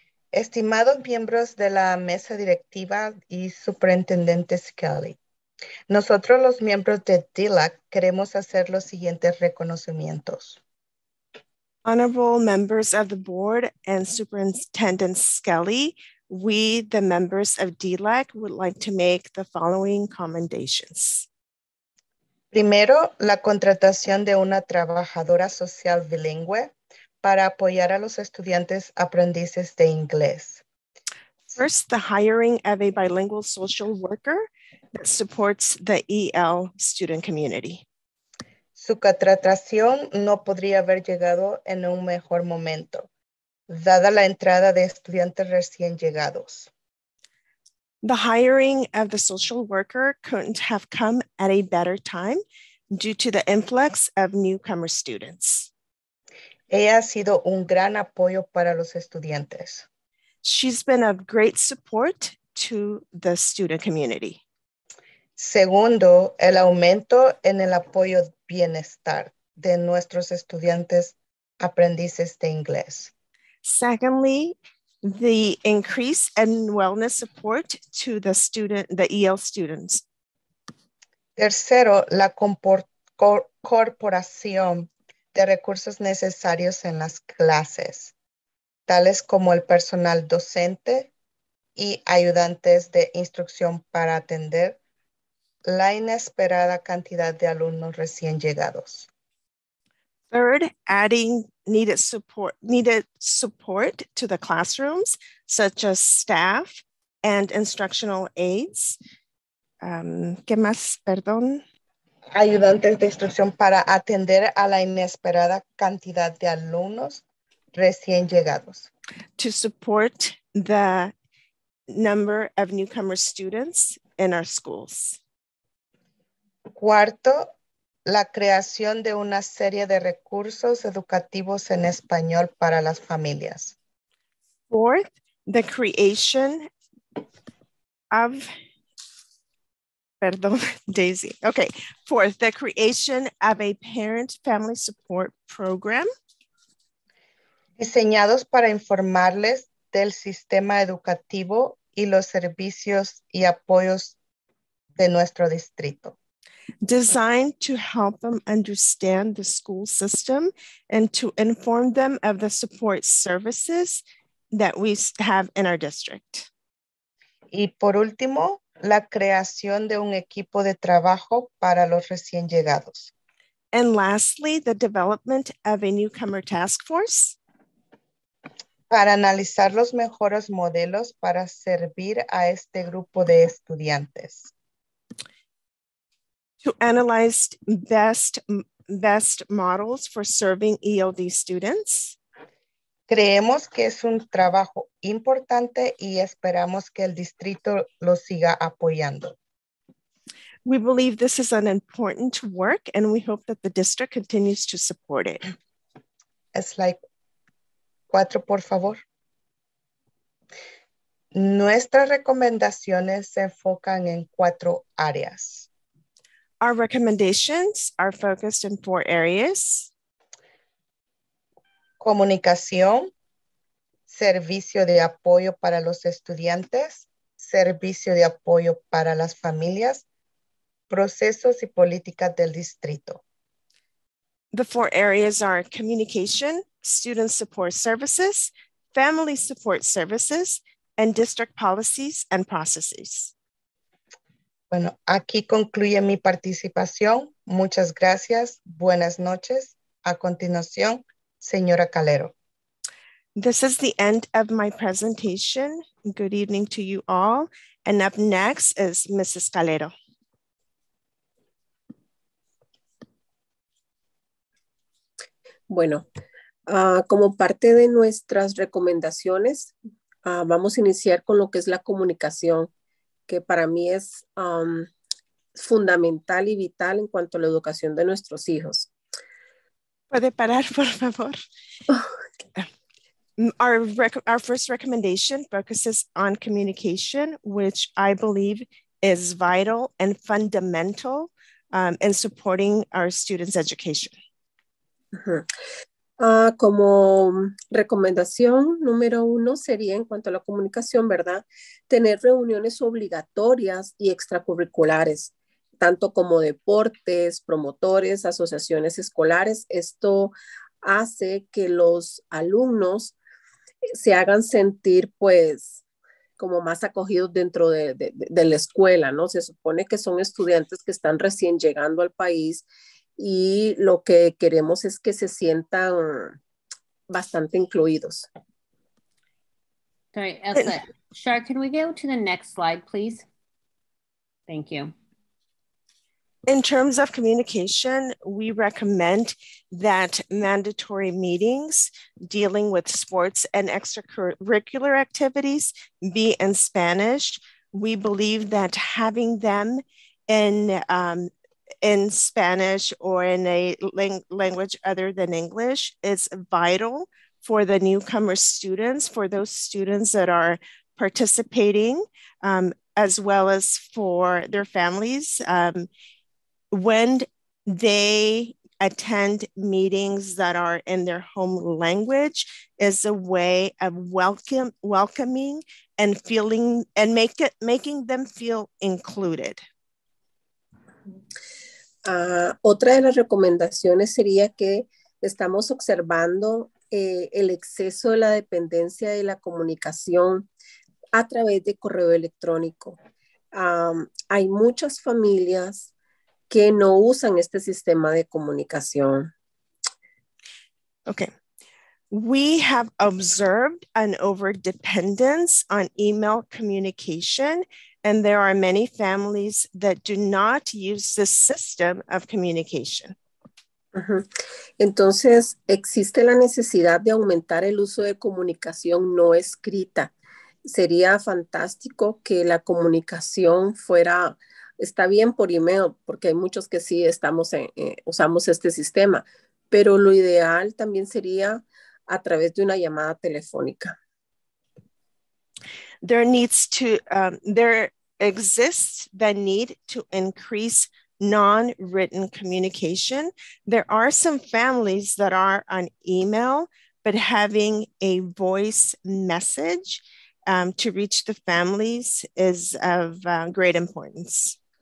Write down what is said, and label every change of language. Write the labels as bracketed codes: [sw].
[es] Estimados miembros de la mesa directiva y superintendente Scully, nosotros los miembros de DILAC queremos hacer los siguientes reconocimientos. [en] Honorable members of the board and Superintendent Scully, we, the members of DILAC, would like to make the following commendations. [es] Primero, la contratación de una trabajadora social bilingüe para apoyar a los estudiantes aprendices de inglés. [en] First, the hiring of a bilingual social worker that supports the EL student community. [es] Su contratación no podría haber llegado en un mejor momento, dada la entrada de estudiantes recién llegados. [en] The hiring of the social worker couldn't have come at a better time due to the influx of newcomer students. [es] Ella ha sido un gran apoyo para los estudiantes. [en] She's been of great support to the student community. [es] Segundo, el aumento en el apoyo bienestar de nuestros estudiantes aprendices de inglés. [en] Secondly, the increase in wellness support to the student, the EL students. [es] Tercero, la corporación de recursos necesarios en las clases, tales como el personal docente y ayudantes de instrucción para atender la inesperada cantidad de alumnos recién llegados. [en] Third, adding needed support to the classrooms, such as staff and instructional aides. [es] ¿Qué más? Perdón. Ayudantes de instrucción para atender a la inesperada cantidad de alumnos recién llegados. [en] To support the number of newcomer students in our schools. [es] Cuarto, la creación de una serie de recursos educativos en español para las familias. [en] Fourth, the creation of, [es] perdón, [en] Daisy. Okay, fourth, the creation of a parent family support program. [es] Diseñados para informarles del sistema educativo y los servicios y apoyos de nuestro distrito. [en] Designed to help them understand the school system and to inform them of the support services that we have in our district. [es] Y por último, la creación de un equipo de trabajo para los recién llegados. [en] And lastly, the development of a newcomer task force. [es] Para analizar los mejores modelos para servir a este grupo de estudiantes. [en] To analyze best models for serving ELD students. [es] Creemos que es un trabajo importante y esperamos que el distrito lo siga apoyando. [en] We believe this is an important work and we hope that the district continues to support it. [es] Es [en] like [es] cuatro, por favor. Nuestras recomendaciones se enfocan en cuatro áreas. [en] Our recommendations are focused in four areas. [es] Comunicación, servicio de apoyo para los estudiantes, servicio de apoyo para las familias, procesos y políticas del distrito. [en] The four areas are communication, student support services, family support services, and district policies and processes. [es] Bueno, aquí concluye mi participación. Muchas gracias. Buenas noches. A continuación, señora Calero. [en] This is the end of my presentation. Good evening to you all. And up next is Mrs. Calero. [es] Bueno, como parte de nuestras recomendaciones, vamos a iniciar con lo que es la comunicación, que para mí es fundamental y vital en cuanto a la educación de nuestros hijos. ¿Puede parar, por favor? [en] Our first recommendation focuses on communication, which I believe is vital and fundamental in supporting our students' education. [es] Como recomendación número uno sería en cuanto a la comunicación, ¿verdad? Tener reuniones obligatorias y extracurriculares, tanto como deportes, promotores, asociaciones escolares. Esto hace que los alumnos se hagan sentir pues como más acogidos dentro de la escuela, ¿no? Se supone que son estudiantes que están recién llegando al país y lo que queremos es que se sientan bastante incluidos. [en] Sorry, Elsa. Shar, can we go to the next slide, please? Thank you. In terms of communication, we recommend that mandatory meetings dealing with sports and extracurricular activities be in Spanish. We believe that having them in Spanish or in a language other than English is vital for the newcomer students, for those students that are participating, as well as for their families. When they attend meetings that are in their home language is a way of welcoming and feeling and making them feel included. [es] Otra de las recomendaciones sería que estamos observando el exceso de la dependencia de la comunicación a través de correo electrónico. Hay muchas familias que no usan este sistema de comunicación. [en] Okay. We have observed an overdependence on email communication, and there are many families that do not use the system of communication. [es] Entonces, existe la necesidad de aumentar el uso de comunicación no escrita. Sería fantástico que la comunicación fuera, está bien por email, porque hay muchos que sí estamos en, usamos este sistema, pero lo ideal también sería a través de una llamada telefónica. [en] There needs to, there exists the need to increase non-written communication. There are some families that are on email, but having a voice message to reach the families is of great importance.